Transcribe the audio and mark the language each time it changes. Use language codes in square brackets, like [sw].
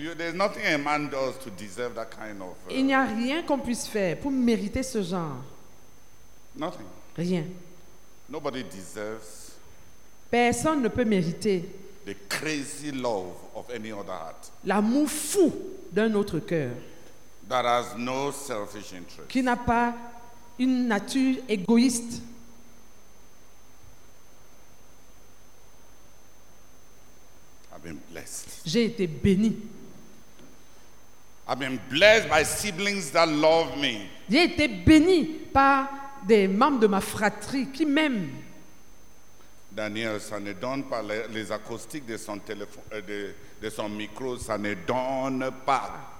[en] There's nothing a man does to deserve that kind of. [fr] Il n'y a rien qu'on puisse faire pour mériter ce genre. [en] Nothing. [fr] Rien. [en] Nobody deserves. [fr] Personne ne peut mériter. [en] The crazy love of any other heart. [fr] L'amour fou d'un autre cœur. [en] That has no selfish interest. [fr] Qui n'a pas une nature égoïste. [en] I've been blessed. [fr] J'ai été béni. [en] I've been blessed by siblings that love me. [fr] J'ai été béni par des membres de ma fratrie qui m'aiment. Daniel, ça ne donne pas les acoustiques de son téléphone, de son micro, ça ne donne pas.